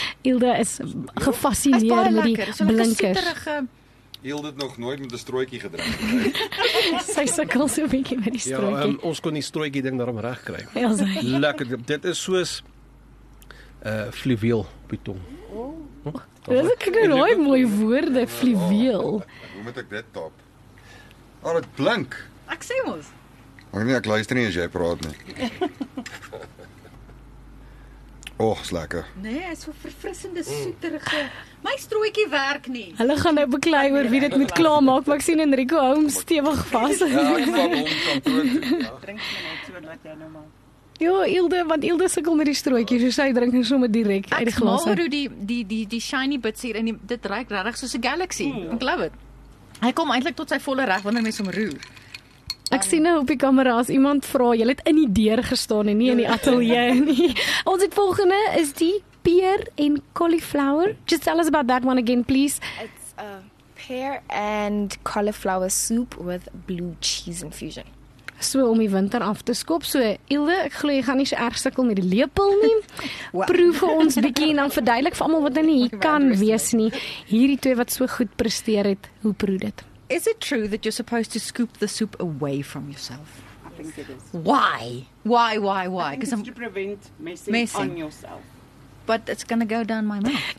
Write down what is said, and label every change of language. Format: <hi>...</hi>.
<af>Ilde is gefassineerd met die blinkers. Hield het nog nooit met 'n strooitjie gedrink. Sy sukkel so 'n bietjie met die strooitjie. Ja, ons kon die strooitjie ding daarom reg kry. Ja, sy. Lekker. Dit is soos fluweel op die tong. Oh. Dit is ook nou nooit mooi woorde, fluweel. Hoe moet ek dit top? Oh, dit blink. Ek sê mos. Ek nie, ek luister nie as jy praat nie. Oh, is lekker. Nee, hy is so verfrissende, soeterige. My strooitjie werk nie. Hulle gaan nou beklei oor wie dit moet klaarmaak, maar ek sien Enrico hou hom stewig vas. Ja, ek sal hom kan probeer. Drink net so laat jy nou maar. Jo, Ilde, want Ilde sukkel met die strooitjie, so sy drink net sommer direk uit die glas. Ek smaak hoe die</af> <en>shiny bits</en> <af>hier in die, dit ruik regtig soos 'n Galaxy. Mm, ek love it. Hy kom eintlik tot sy volle reg wanneer mense hom roer. Ek sien nou op die kamera as iemand vra, jy het in die deur gestaan en nie in die ateljee nie. Ons het volgende is die pear en cauliflower.</af> <en>Just tell us about that one again, please. It's a pear and cauliflower soup with blue cheese infusion.</en> <af>So om die winter af te skop. So Ilde, ek glo jy gaan nie so erg sukkel met die lepel nie. Wow. Proef vir ons bietjie en dan verduidelik vir almal wat nou nie hier kan wees nie. Hierdie twee wat so goed presteer het, hoe proe dit?</af> <en>Is it true that you're supposed to scoop the soup away from yourself? I think it is. Why? Why, why, why? Because it's to prevent messing on yourself. But it's going to go down my mouth.</en>